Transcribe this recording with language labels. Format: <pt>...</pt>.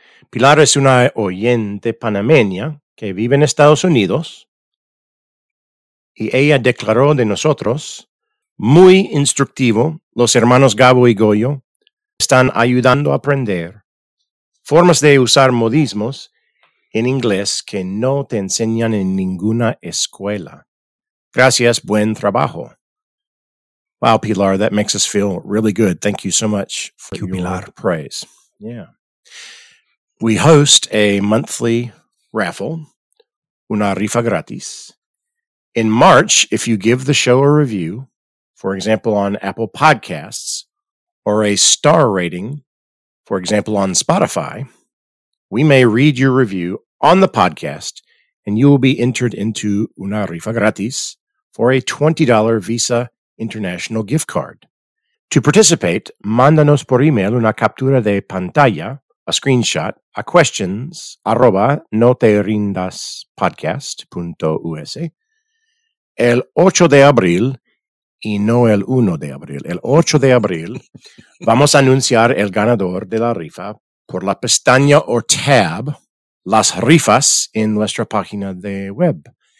<es>Pilar es una oyente panameña que vive en Estados Unidos y ella declaró de nosotros, muy instructivo, los hermanos Gabo y Goyo están ayudando a aprender formas de usar modismos en inglés que no te enseñan en ninguna escuela. Gracias, buen trabajo.</es> <en>Wow, Pilar, that makes us feel really good. Thank you so much for your Pilar. Praise. Yeah. We host a monthly raffle,</en> <es>una rifa gratis.</es> <en>In March, if you give the show a review, for example, on Apple Podcasts, or a star rating, for example, on Spotify, we may read your review on the podcast, and you will be entered into</en> <es>una rifa gratis</es> <en>for a $20 Visa International gift card. To participate,</en> <es>mándanos por email una captura de pantalla,</es> <en>a screenshot,</en> <es>a questions@noterindaspodcast.us, el 8 de abril, y no el 1 de abril, el 8 de abril, vamos a anunciar el ganador de la rifa por la pestaña o tab, las rifas, en nuestra página de web.</es>